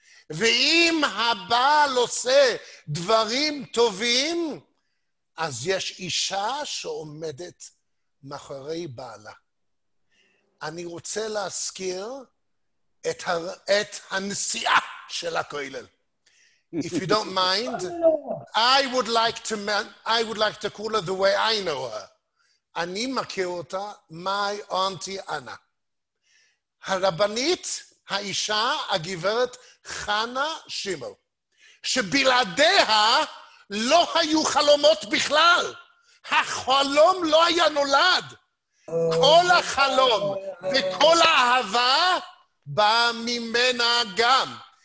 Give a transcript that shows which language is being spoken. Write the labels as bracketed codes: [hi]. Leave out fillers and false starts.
[he] ואם הבעל עושה דברים טובים, אז יש אישה שעומדת מאחורי בעלה. אני רוצה להזכיר את, את הנסיעה של הכולל. [en] If you don't mind, I would like to call her the way I know her. [he] אני מכיר אותה, [en] my auntie Anna. [he] הרבנית, האישה, הגברת חנה שימל, שבלעדיה לא היו חלומות בכלל. החלום לא היה נולד. כל החלום וכל האהבה בא ממנה גם.